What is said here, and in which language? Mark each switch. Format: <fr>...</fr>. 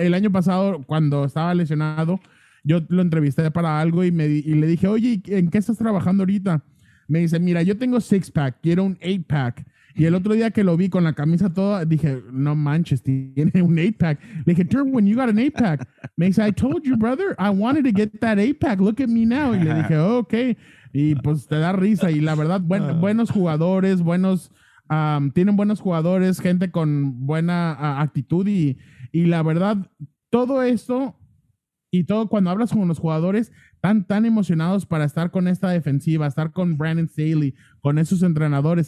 <es>El año pasado, cuando estaba lesionado, yo lo entrevisté para algo y le dije, oye, ¿en qué estás trabajando ahorita? Me dice, mira, yo tengo 6-pack, quiero un 8-pack. Y el otro día que lo vi con la camisa toda, dije, no manches, tiene un 8-pack. Le dije,</es> <en>Derwin, you got an 8-pack.</en> <es>Me dice,</es> <en>I told you, brother, I wanted to get that 8-pack. Look at me now.</en> <es>Y le dije, ok. Y pues te da risa. Y la verdad, buenos jugadores, tienen buenos jugadores, gente con buena actitud. Y la verdad, todo esto y todo, cuando hablas con los jugadores, están tan emocionados para estar con esta defensiva, estar con Brandon Staley, con esos entrenadores.</es>